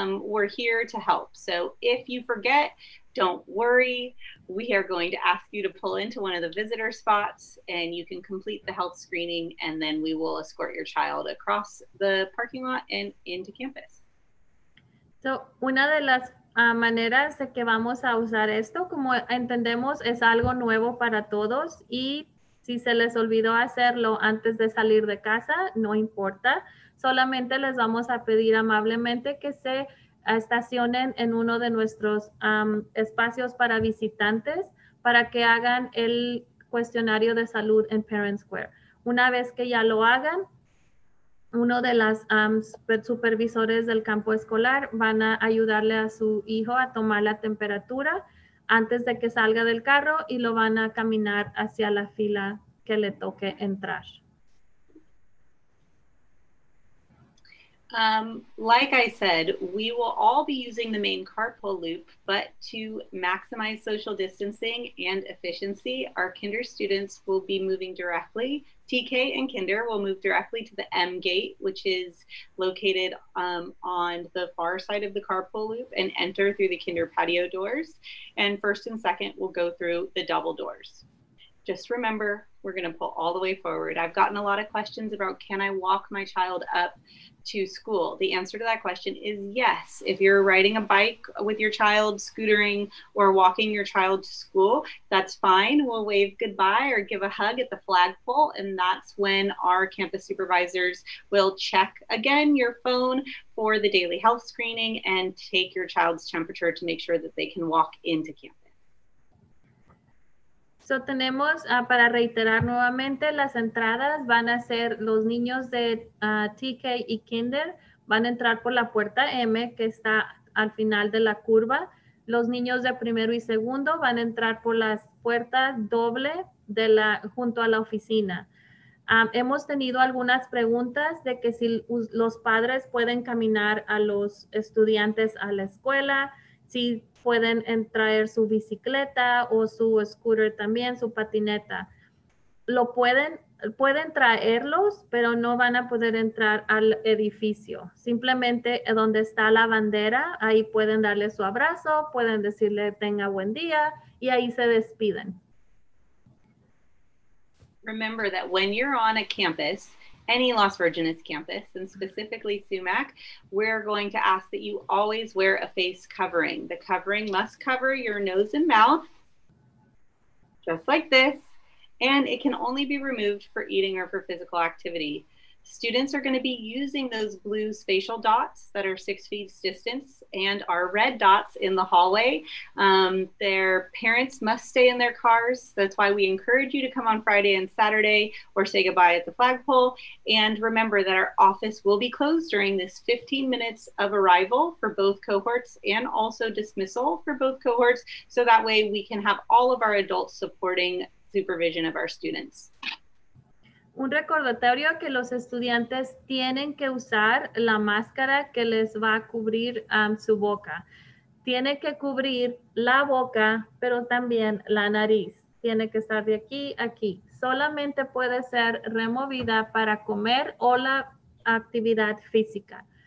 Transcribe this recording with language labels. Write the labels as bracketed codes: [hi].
[en] We're here to help. So if you forget, don't worry. We are going to ask you to pull into one of the visitor spots and you can complete the health screening and then we will escort your child across the parking lot and into campus. [es] So, una de las maneras de que vamos a usar esto, como entendemos, es algo nuevo para todos y si se les olvidó hacerlo antes de salir de casa, no importa. Solamente les vamos a pedir amablemente que se estacionen en uno de nuestros espacios para visitantes para que hagan el cuestionario de salud en Parent Square. Una vez que ya lo hagan, uno de las supervisores del campo escolar van a ayudarle a su hijo a tomar la temperatura antes de que salga del carro y lo van a caminar hacia la fila que le toque entrar. [en] Like I said, we will all be using the main carpool loop, but to maximize social distancing and efficiency, our kinder students will be moving directly. TK and kinder will move directly to the M gate, which is located on the far side of the carpool loop, and enter through the kinder patio doors. And first and second will go through the double doors. Just remember, we're going to pull all the way forward. I've gotten a lot of questions about, can I walk my child up to school? The answer to that question is yes. If you're riding a bike with your child, scootering, or walking your child to school, that's fine. We'll wave goodbye or give a hug at the flagpole, and that's when our campus supervisors will check again your phone for the daily health screening and take your child's temperature to make sure that they can walk into campus. [es] So tenemos, para reiterar nuevamente, las entradas van a ser los niños de TK y Kinder van a entrar por la puerta M, que está al final de la curva. Los niños de primero y segundo van a entrar por las puertas doble de la, junto a la oficina. Hemos tenido algunas preguntas de que si los padres pueden caminar a los estudiantes a la escuela, si pueden traer su bicicleta o su scooter también, su patineta. Lo pueden traerlos, pero no van a poder entrar al edificio. Simplemente donde está la bandera, ahí pueden darle su abrazo, pueden decirle tenga buen día y ahí se despiden. [en] Remember that when you're on a campus, any Las Virgenes campus, and specifically Sumac, we're going to ask that you always wear a face covering. The covering must cover your nose and mouth, just like this, and it can only be removed for eating or for physical activity. Students are going to be using those blue spatial dots that are 6 feet distance and our red dots in the hallway. Their parents must stay in their cars. That's why we encourage you to come on Friday and Saturday or say goodbye at the flagpole. And remember that our office will be closed during this 15 minutes of arrival for both cohorts and also dismissal for both cohorts. So that way we can have all of our adults supporting supervision of our students. [es] Un recordatorio que los estudiantes tienen que usar la máscara que les va a cubrir su boca. Tiene que cubrir la boca, pero también la nariz. Tiene que estar de aquí a aquí. Solamente puede ser removida para comer o la actividad física.